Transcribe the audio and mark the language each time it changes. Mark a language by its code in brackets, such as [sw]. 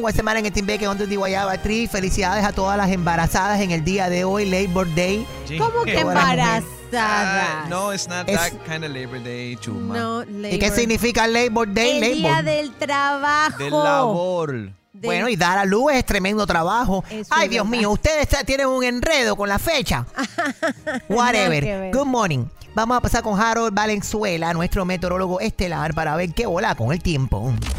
[es] Guatemala en el Timbeque, donde es de Guayaba Tree. Felicidades a todas las embarazadas en el día de hoy, Labor Day. ¿Cómo que embarazadas? [en] No, it's not that kind of Labor Day, Chuma. [es] No, Labor. ¿Y qué significa Labor Day? El labor. Día del trabajo. Del labor. Bueno, y dar a luz es tremendo trabajo. Eso. Ay, Dios mío, ustedes tienen un enredo con la fecha. [en] Whatever. Good morning. [es] Vamos a pasar con Harold Valenzuela, nuestro meteorólogo estelar, para ver qué bola con el tiempo.